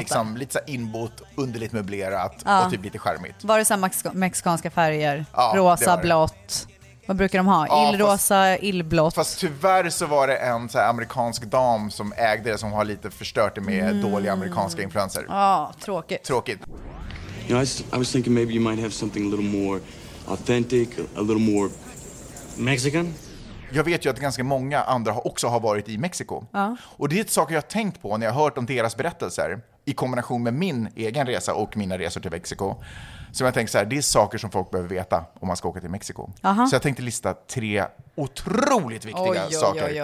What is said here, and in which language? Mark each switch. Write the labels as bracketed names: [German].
[Swedish] Liksom lite så inbott, underligt möblerat och typ lite charmigt. Var det så mexikanska färger? Ja, rosa, blått. Vad brukar de ha? Ja, illrosa, illblått. Fast tyvärr så var det en så här amerikansk dam som ägde det som har lite förstört det med dåliga amerikanska influenser. Ja, tråkigt. Tråkigt. [English] You know, I was thinking maybe you might have something a little more authentic, a little more Mexican? [Swedish] Jag vet ju att ganska många andra också har varit i Mexiko. Ja. Och det är ett saker jag har tänkt på när jag har hört om deras berättelser i kombination med min egen resa och mina resor till Mexiko. Så jag tänkte så här, det är saker som folk behöver veta om man ska åka till Mexiko. Aha. Så jag tänkte lista 3 otroligt viktiga saker.